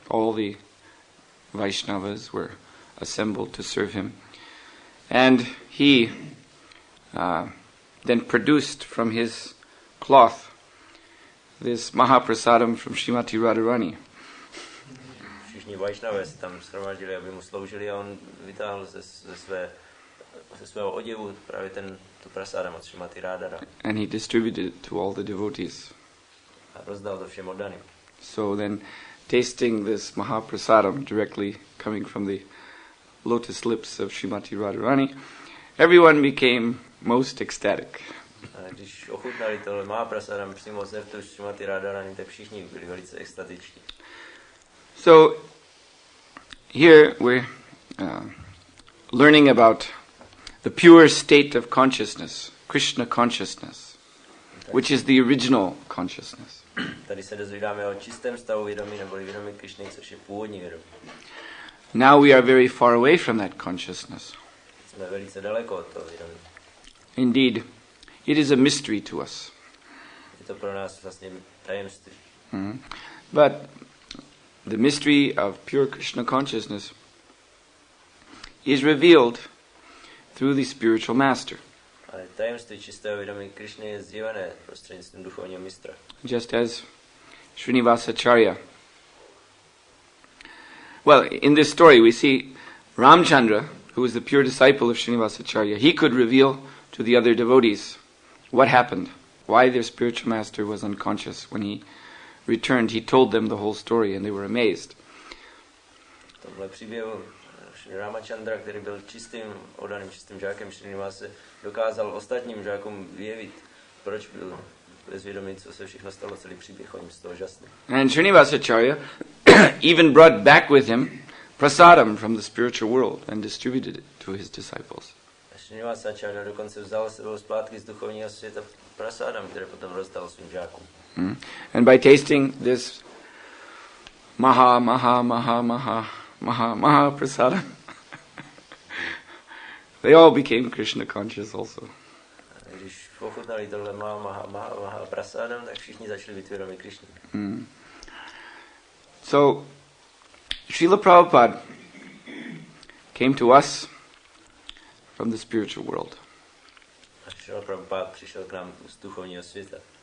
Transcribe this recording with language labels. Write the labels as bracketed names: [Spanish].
[English] All the Vaishnavas were assembled to serve him. And he then produced from his cloth this Mahaprasadam from Srimati Radharani. [Czech] Všichni Vaishnavé se tam shromadili, aby mu sloužili, a on vytáhl ze svého oděvu právě ten tu prasádam od Srimati Radhara. [English] And he distributed it to all the devotees. [Czech] A rozdal to všem oddaným. [English] So then, tasting this Mahaprasadam directly coming from the lotus lips of Srimati Radharani, everyone became most ecstatic. [Czech] Když ochutnali tohle Mahaprasadam přímo ze rtu Srimati Radharani, tak všichni byli velice extatičtí. [English] So, here we're learning about the pure state of consciousness, Krishna consciousness, which is the original consciousness. [Czech] Tady se dozvídáme o čistém stavu vědomí, neboli vědomí Krišny, což je původní vědomí. [English] Now we are very far away from that consciousness. [Czech] Jsme velice daleko od toho vědomí. [English] Indeed, it is a mystery to us. [Czech] Je to pro nás vlastně tajemství. [English] But the mystery of pure Krishna consciousness is revealed through the spiritual master. [Czech] Ale tajemství čistého vědomí Krišny je zjevené prostřednictvím duchovního mistra. [English] Just as Srinivasacharya. Well, in this story we see Ramchandra, who is the pure disciple of Srinivasacharya, he could reveal to the other devotees what happened, why their spiritual master was unconscious when he returned. He told them the whole story and they were amazed. [Czech] Tohle příběh Šri Ramachandra, který byl čistým, oddaným čistým žákem Srinivase, dokázal ostatním žákům vyjevit, proč byl bezvědomý, co se všechno stalo, celý příběh, on z toho žasný. [English] And Srinivasacharya even brought back with him prasadam from the spiritual world and distributed it to his disciples. [Czech] Srinivasacharya dokonce vzal s sebou zpátky z duchovního světa prasadam, které potom rozdal svým žákům. [English] And by tasting this maha, maha, maha, maha, maha, maha prasada, they all became Krishna conscious also. [Czech] Když pochutnali tohle maha, maha, maha, maha prasada, tak všichni začali být vědomi Krishna. [English] So, Srila Prabhupada came to us from the spiritual world. [Czech] Srila Prabhupada přišel k nám z duchovního světa.